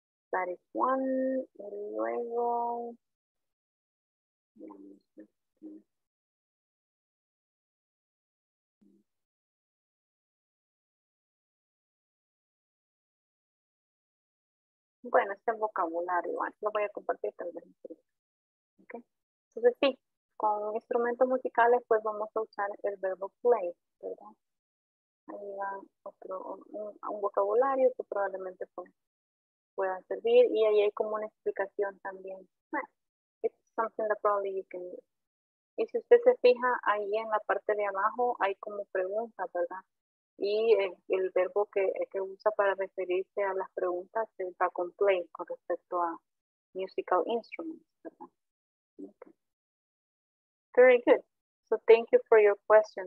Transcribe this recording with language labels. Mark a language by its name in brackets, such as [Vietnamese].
[English] That is one, [Spanish] y luego bueno, este vocabulario, ¿vale? Lo voy a compartir tal vez, ¿ok? Entonces, sí, con instrumentos musicales, pues vamos a usar el verbo play, ¿verdad? Ahí va un vocabulario que probablemente pueda servir. Y ahí hay como una explicación también. [English] Bueno, it's something that probably you can use. [Spanish] Y si usted se fija, ahí en la parte de abajo hay como preguntas, ¿verdad? Y el verbo que usa para referirse a las preguntas se va con play con respecto a [English] musical instruments, [Spanish] ¿verdad? [English] Okay. Very good. So thank you for your question.